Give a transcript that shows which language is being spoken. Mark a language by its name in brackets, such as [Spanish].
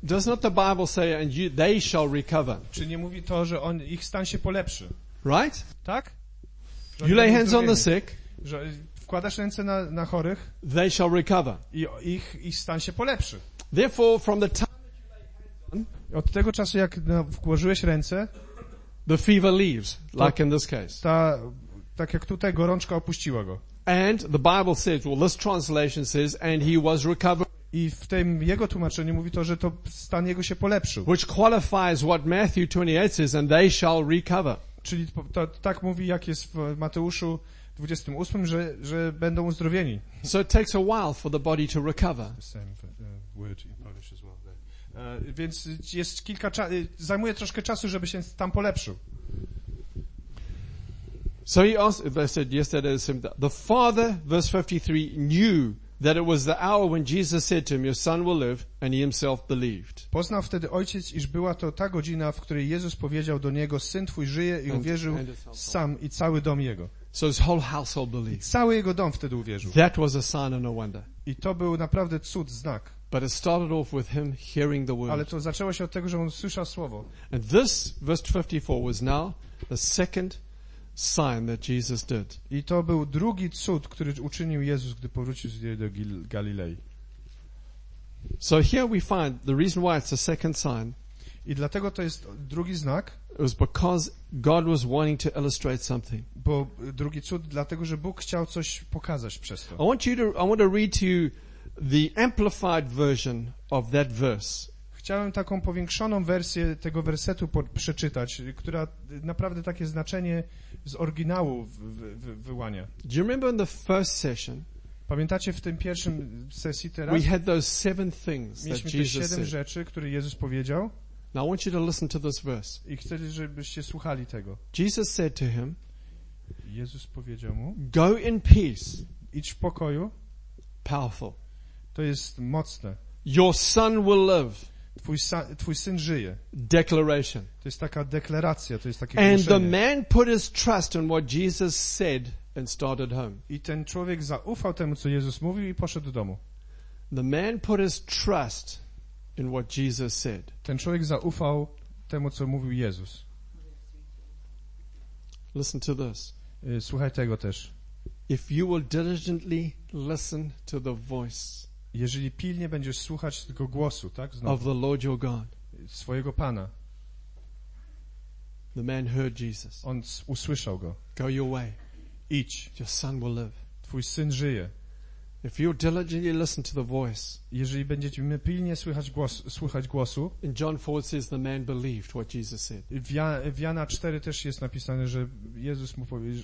[English] does not the Bible say and you, they shall recover? [Polish] Czy nie mówi to, że on ich stan się polepszy? [English] Right? [Polish] Tak? [English] You lay hands on the sick, [Polish] że wkładasz ręce na chorych, [English] they shall recover. [Polish] I ich stan się polepszy. [English] Therefore, from the time [Polish] od tego czasu, jak włożyłeś ręce, [English] the fever leaves, like in this case. [Polish] Tak jak tutaj gorączka opuściła go. [English] And the Bible says, well, this translation says, and he was recovered. [Polish] I w tym jego tłumaczeniu mówi to, że to stan jego się polepszył. [English] Which qualifies what Matthew 28 says, and they shall recover. [Polish] Czyli tak mówi, jak jest w Mateuszu 28, że będą uzdrowieni. [English] So it takes a while for the body to recover. Same word in Polish as well. There. [Polish] Więc jest kilka zajmuje troszkę czasu, żeby się tam polepszył. [English] So he asked, they said yesterday the father, verse 53, knew that it was the hour when Jesus said to him, your son will live, and he himself believed. [Polish] Poznał wtedy ojciec, iż była to ta godzina, w której Jezus powiedział do niego, syn twój żyje, i uwierzył sam i cały dom jego. [English] So his whole household believed. [Polish] I cały jego dom wtedy uwierzył. [English] That was a sign and a wonder. [Polish] I to był naprawdę cud, znak. [English] But it started off with him hearing the word. [Polish] Ale to zaczęło się od tego, że on słyszał słowo. [English] And this, verse 54, was now the second sign that Jesus did. [Polish] I to był drugi cud, który uczynił Jezus, gdy powrócił z niej do Galilei. [English] So here we find the reason why it's a second sign. [Polish] I dlatego to jest drugi znak. [English] It was because God was wanting to illustrate something. [Polish] Bo drugi cud, dlatego że Bóg chciał coś pokazać przez to. [English] I want to read to you the amplified version of that verse. [Polish] Chciałem taką powiększoną wersję tego wersetu przeczytać, która naprawdę takie znaczenie z oryginału wyłania. [English] Do you remember in the first session? [Polish] Pamiętacie w tym pierwszym sesji teraz? [English] We had those seven things that Jesus said. [Polish] Mieliśmy te siedem rzeczy, które Jezus powiedział. [English] Now I want you to listen to this verse. [Polish] I chcę, żebyście słuchali tego. [English] Jesus said to him. [Polish] Jezus powiedział mu. [English] Go in peace. [Polish] Idź w pokoju. [English] Powerful. [Polish] To jest mocne. [English] Your son will live. [Polish] Twój syn żyje. [English] Declaration. [Polish] To jest taka deklaracja, to jest takie ogłoszenie. [English] And the man put his trust in what Jesus said and started home. [Polish] I ten człowiek zaufał temu, co Jezus mówił, i poszedł do domu. [English] The man put his trust in what Jesus said. [Polish] Ten człowiek zaufał temu, co mówił Jezus. [English] Listen to this. [Polish] Słuchaj tego też. [English] If you will diligently listen to the voice. [Polish] Jeżeli pilnie będziesz słuchać tego głosu, tak? Znowu, [English] of the Lord your God. [Polish] Swojego Pana. [English] The man heard Jesus. [Polish] On usłyszał go. [English] Go your way. [Polish] Idź. [English] Your son will live. [Polish] Twój syn żyje. [English] If you diligently listen to the voice. [Polish] Jeżeli będziecie pilnie słuchać głosu. [English] In John 4 says the man believed what Jesus said. [Polish] W Jana 4 też jest napisane, że Jezus mu powiedział.